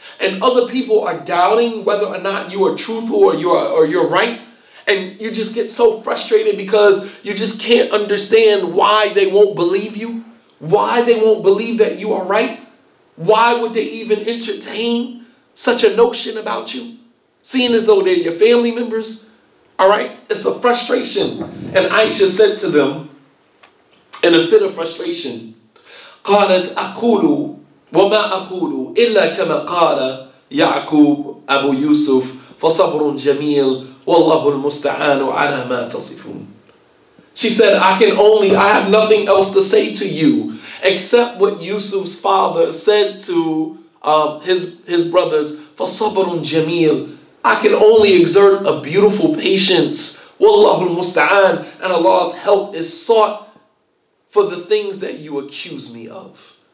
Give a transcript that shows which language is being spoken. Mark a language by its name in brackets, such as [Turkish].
[English] and other people are doubting whether or not you are truthful or you're right, and you just get so frustrated because you just can't understand why they won't believe you, why they won't believe that you are right, why would they even entertain such a notion about you, seeing as though they're your family members. All right, it's a frustration. And Aisha said to them, in a fit of frustration, [Arabic] قالت أقول وما أقول إلا كما قال يعقوب أبو يوسف فصبر جميل والله المستعان على ما تصفون. [English] She said, I have nothing else to say to you except what Yusuf's father said to his brothers, [Arabic] فصبر جميل. [English] I can only exert a beautiful patience. Wallahu al-musta'an. And Allah's help is sought for the things that you accuse me of.